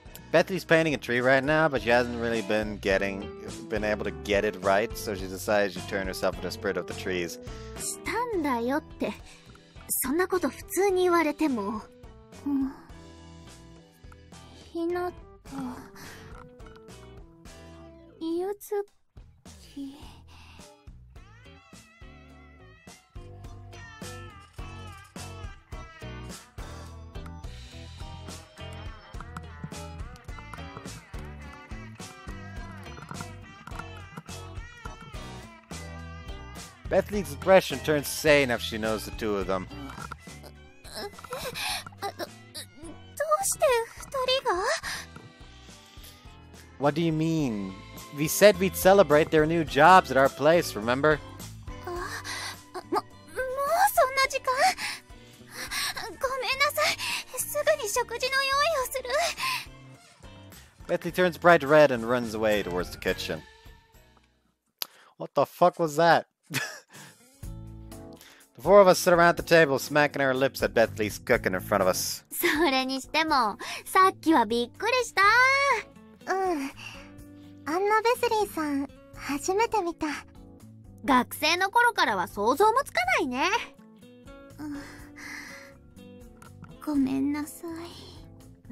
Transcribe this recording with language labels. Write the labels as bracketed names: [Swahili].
[English] Bethly's painting a tree right now, but she hasn't really been able to get it right, so she decided to turn herself into a spirit of the trees. [Japanese] したんだよって、そんなこと普通に言われても。ひなた、ゆずき。 [English] Bethly's expression turns sane if she knows the two of them. [Japanese] どうして二人が? [English] What do you mean? We said we'd celebrate their new jobs at our place, remember? [Japanese] もうそんな時間?ごめんなさい。すぐに食事の用意をする。 [English] Bethly turns bright red and runs away towards the kitchen. What the fuck was that? The four of us sit around the table, smacking our lips at Bethly's cooking in front of us. [Japanese] それにしても、さっきはびっくりした。あんなベスリーさん、初めて見た。学生の頃からは想像もつかないね。ごめんなさい。